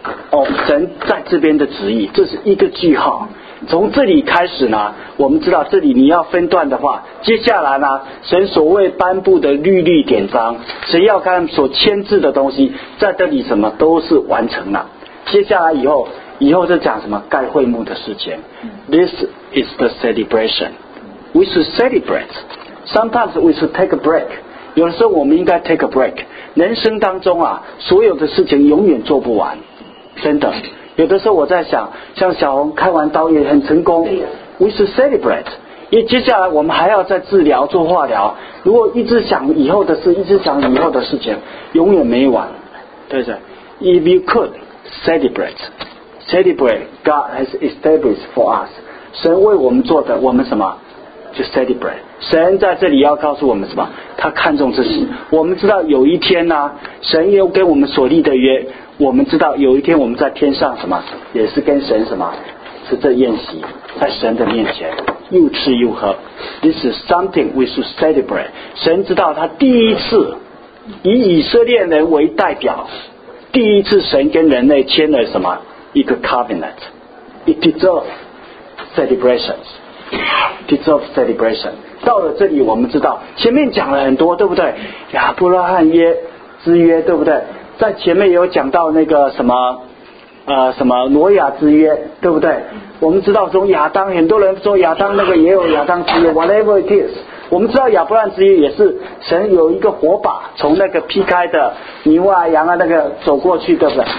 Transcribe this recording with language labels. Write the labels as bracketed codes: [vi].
[zh] 哦，神在这边的旨意，这是一个句号。从这里开始呢，我们知道这里你要分段的话，接下来呢，神所谓颁布的律例典章，神要看所签字的东西，在这里什么都是完成了。接下来以后就讲什么盖会幕的事情。 [en] This is the celebration. We should celebrate. Sometimes we should take a break. [zh] 有的时候我们应该 [en] take a break. [zh] 人生当中啊，所有的事情永远做不完。真的，有的时候我在想，像小红开完刀也很成功 ， [en] We should celebrate， [zh] 因为接下来我们还要再治疗做化疗。如果一直想以后的事，一直想以后的事情，永远没完，对不对 ？ [en] If you could celebrate, God has established for us， [zh] 神为我们做的，我们什么？就 celebrate。神在这里要告诉我们什么？他看重这事。我们知道有一天呢，神又跟我们所立的约。我们知道有一天我们在天上什么也是跟神什么吃这宴席，在神的面前又吃又喝。 [en] This is something we should celebrate. [zh] 神知道他第一次以色列人为代表，第一次神跟人类签了什么一个 covenant. [en] It deserves celebrations. Deserves celebration. [zh] 到了这里我们知道前面讲了很多，对不对？亚伯拉罕约之约，对不对？在前面有讲到那个什么什么挪亚之约，对不对？我们知道从亚当，很多人说亚当那个也有亚当之约 [en] whatever it is， [zh] 我们知道亚伯兰之约也是神有一个火把从那个劈开的牛啊羊啊那个走过去，对不对？